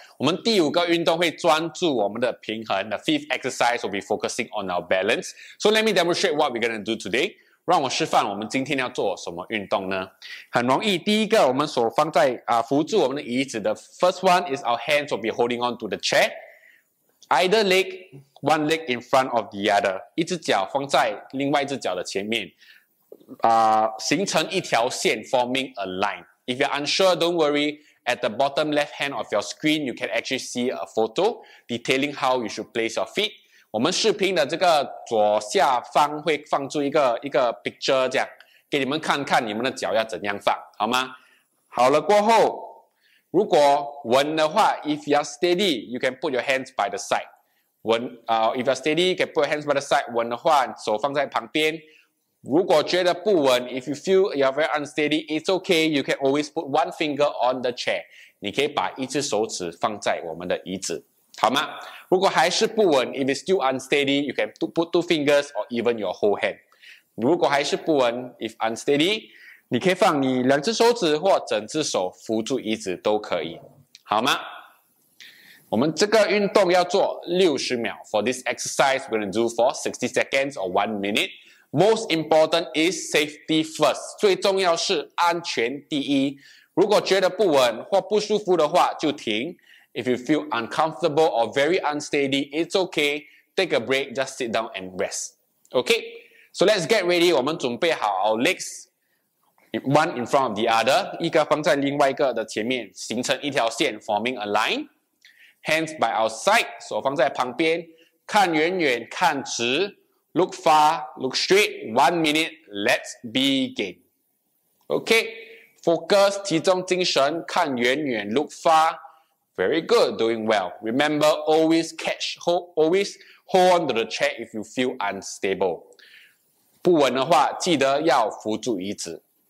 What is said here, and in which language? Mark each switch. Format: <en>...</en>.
<zh>我们第五个运动会专注我们的平衡。</zh> <en>The fifth exercise will be focusing on our balance. So let me demonstrate what we're going to do today.</en> <zh>让我示范我们今天要做什么运动呢？很容易。第一个，我们手放在扶住我们的椅子。</zh> <en>The first one is our hands will be holding on to the chair. Either leg, one leg in front of the other.</en> <zh>一只脚放在另外一只脚的前面。形成一条线</zh> <en>forming a line. If you're unsure, don't worry. At the bottom left hand of your screen, you can actually see a photo detailing how you should place your feet.</en> <zh>我们视频的这个左下方会放出一个 picture 这样给你们看看你们的脚要怎样放，好吗？好了过后，如果稳的话，</zh> <en>if you are steady, you can put your hands by the side. 稳if you are steady, you can put your hands by the side.</en> <zh>稳的话，手放在旁边。如果觉得不稳</zh> <en>，if you feel you are very unsteady, it's okay. You can always put one finger on the chair.</en> <zh>你可以把一只手指放在我们的椅子，好吗？如果还是不稳</zh> <en>，if it's still unsteady, you can put two fingers or even your whole hand.</en> <zh>如果还是不稳 ，</zh> <en>if unsteady,</en> <zh>你可以放你两只手指或整只手扶住椅子都可以，好吗？我们这个运动要做60秒。</zh> <en>For this exercise, we're going to do for 60 seconds or 1 minute. Most important is safety first.</en> <zh>最重要是安全第一。如果觉得不稳或不舒服的话就停。</zh> <en>If you feel uncomfortable or very unsteady, it's okay. Take a break, just sit down and rest. Okay? So let's get ready.</en> <zh>我们准备好</zh> <en>our legs. One in front of the other.</en> <zh>一个放在另外一个的前面，形成一条线</zh> <en>forming a line. Hands by our side.</en> <zh>手放在旁边。看远远，看直。</zh> <en>Look far, look straight. 1 minute, let's begin. Okay, focus,</en> <zh>集中精神，看远远</zh> <en>look far. Very good, doing well. Remember, always catch, always hold on to the chair if you feel unstable.</en> <zh>不稳的话，记得要扶住椅子。</zh>